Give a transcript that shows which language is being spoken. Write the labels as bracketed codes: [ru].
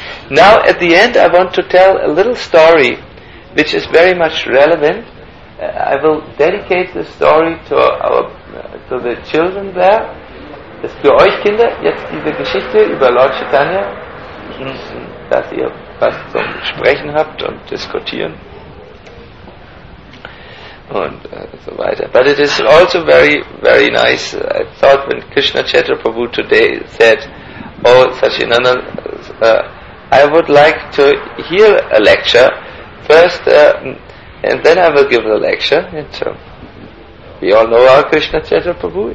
[en] Now at the end I want to tell a little story which is very much relevant. I will dedicate this story to the children there. [de] Das für euch Kinder, jetzt diese Geschichte über Lord Chaitanya, dass ihr was zum Sprechen habt und diskutieren und so weiter. [en] But it is also very, very nice. I thought when Krishna Chaitraprabhu today said, oh Sachinanda, I would like to hear a lecture first, and then I will give the lecture. And, we all know our Krishna Chaitraprabhu.